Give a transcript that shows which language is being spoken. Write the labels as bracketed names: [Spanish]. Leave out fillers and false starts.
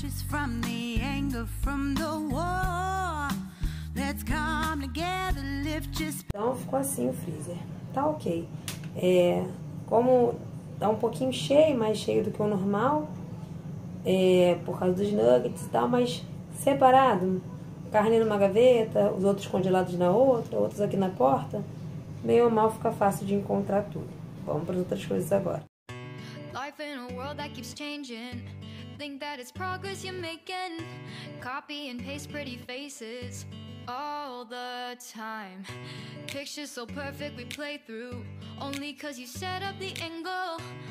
[English] From the anger, from the war. Let's come together, lift your spirit. [Portuguese] Então ficou assim o freezer. Tá ok. Como tá um pouquinho cheio, mais cheio do que o normal, por causa dos nuggets e tal, mas separado. Carne numa gaveta, os outros congelados na outra, outros aqui na porta. Meio ou mal fica fácil de encontrar tudo. Vamos para as outras coisas agora. [English] Life in a world that keeps changing. Think that it's progress you're making. Copy and paste pretty faces all the time. Pictures so perfect we play through. Only 'cause you set up the angle.